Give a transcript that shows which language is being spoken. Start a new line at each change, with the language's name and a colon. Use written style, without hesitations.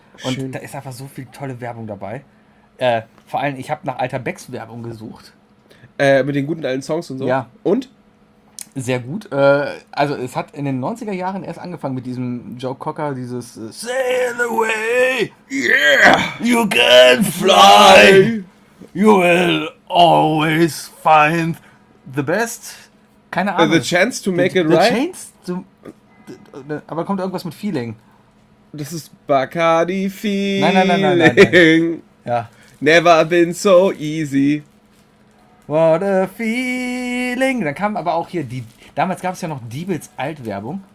German: Und schön. Da ist einfach so viel tolle Werbung dabei. Vor allem, ich habe nach alter Becks Werbung gesucht. Mit den guten alten Songs und so? Ja. Und? Sehr gut. Also es hat in den 90er Jahren erst angefangen mit diesem Joe Cocker, dieses
English: Sail away, yeah, you can fly, you will always find the best,
German: keine Ahnung.
English: The chance to make it right. The chance to...
German: Aber kommt irgendwas mit Feeling. Das ist Bacardi Feeling. Nein. Ja.
English: Never been so easy. What a feeling.
German: Dann kam aber auch hier die... Damals gab es ja noch Diebels Altwerbung.